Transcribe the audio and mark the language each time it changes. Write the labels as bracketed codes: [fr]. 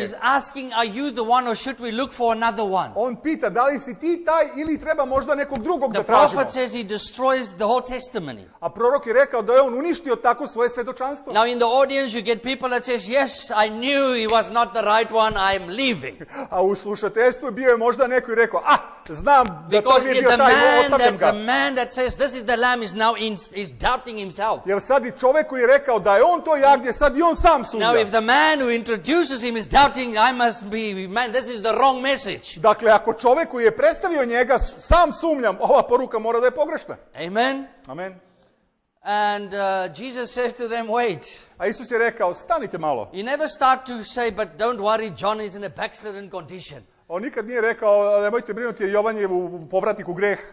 [en] He's asking, "Are you the one, or should we look for another one?" [sr] On pita, da li si ti taj ili treba možda nekog drugog the da tražimo. [en] The prophet says he destroys the whole testimony. [sr] A prorok je rekao da je on uništio tako svoje svedočanstvo. [en] Now in the audience, you get people that says, "Yes, I knew he was not the right one. I'm leaving." [sr] A u slušateljstvu bio je možda neko i rekao, "Ah, znam da to nije bio taj, ostavljam ga." [en] That says this is the lamb is now is doubting himself. [sr] Jer sad i čovjek koji je rekao da je on to jagnje, sad i on sam sumnja. [en] Now if the man who introduces him is doubting, I must be man, this is the wrong message. [sr] Dakle, ako čovjek koji je predstavio njega sam sumnjam, ova poruka mora da je pogrešna. [en] Amen. [sr] Amen. [en] And Jesus said to them, wait. [sr] A Isus je rekao, stanite malo. [en] He never start to say, but don't worry, John is in a backslidden condition. [sr] On nikad nije rekao, nemojte brinuti, Jovan je u povratniku greh.